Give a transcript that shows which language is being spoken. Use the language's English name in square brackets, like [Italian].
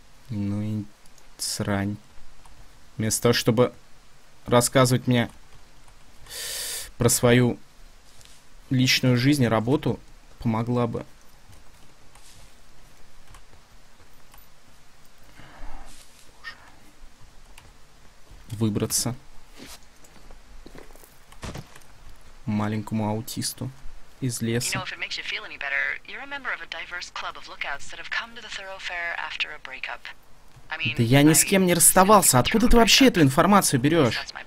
[Russian] Ну и срань. Вместо того, чтобы рассказывать мне про свою личную жизнь и работу, помогла бы. Боже. Выбраться маленькому аутисту. [English] You know, if it makes you feel any better, you're a member of a diverse club of lookouts that have come to the thoroughfare after a breakup. I mean, [Russian] да я ни с кем не расставался. Откуда ты вообще эту информацию берешь?